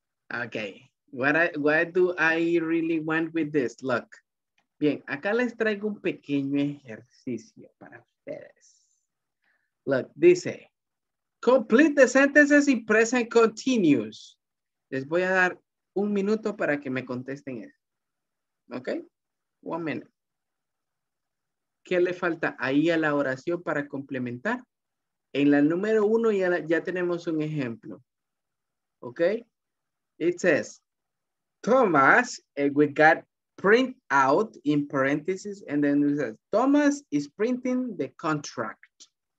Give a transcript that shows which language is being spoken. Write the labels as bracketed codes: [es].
[en] Okay, what do I really want with this? [es] Look, bien, acá les traigo un pequeño ejercicio para ustedes. [en] Look, dice, complete the sentences in present continuous. [es] Les voy a dar un minuto para que me contesten eso. ¿Ok? [en] One minute. [es] ¿Qué le falta ahí a la oración para complementar? En la número uno ya tenemos un ejemplo. ¿Ok? [en] It says, Thomas, we got print out in parentheses, and then it says, Thomas is printing the contract.